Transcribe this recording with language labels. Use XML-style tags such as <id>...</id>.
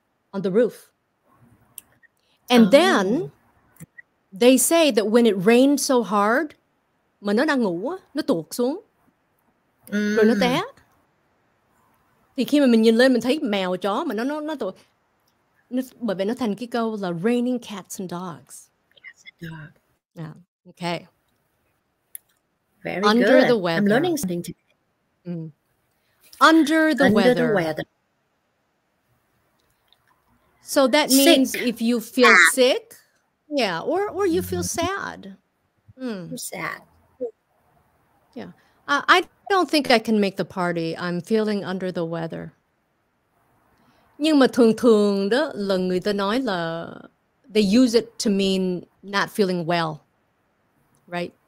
<en>On the roof. And then they say that when it rained so hard,</en> <vi>mà nó đang ngủ, nó tuột xuống, rồi nó té. Thì khi mà mình nhìn lên, mình thấy mèo chó mà nó tuột. Bởi vậy nó thành cái câu là</vi> <en>raining cats and dogs. Cats and dogs. Yeah. Okay. Very under good. The weather. I'm learning something today. Under the weather. So that means sick. If you feel sick, yeah, or you feel sad. I'm sad. Yeah. I don't think I can make the party. I'm feeling under the weather.</en> <vi>Nhưng mà thường thường đó là người ta nói là</vi> <en>they use it to mean not feeling well, right?</en>